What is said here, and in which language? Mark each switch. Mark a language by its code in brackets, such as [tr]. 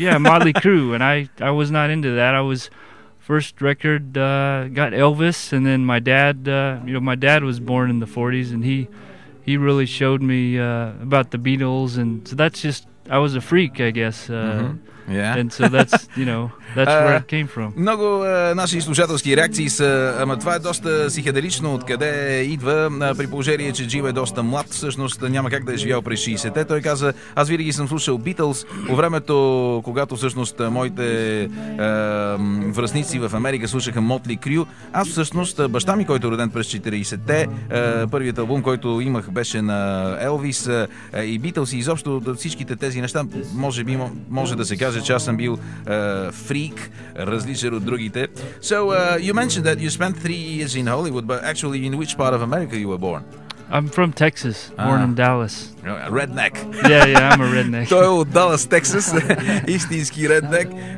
[en] Motley Crue, and I was not into that. I was first record got Elvis, and then my dad, my dad was born in the 40s, and he really showed me about the Beatles, and so that's just, I was a freak, I guess. Yeah. And so that's, you know, that's where it came from. [bg] Много наши слушателски реакции са, ама това е доста психеделично, откъде идва, при положение, че Джим е доста млад, всъщност няма как да е живял през 60-те. Той каза, аз винаги съм слушал Beatles по времето, когато всъщност моите връстници в Америка слушаха Motley Crue. Аз всъщност, баща ми, който е роден през 40-те, първият албум, който имах, беше на Елвис и Beatles и изобщо всичките тези неща, може би, може да се каже, че аз съм бил фрик, различен от другите. [en] So, you mentioned that you spent 3 years in Hollywood, but actually, in which part of America you were born? I'm from Texas, born in Dallas. Redneck. Yeah, yeah, I'm a redneck. [bg] Той от Dallas, Texas, истински redneck.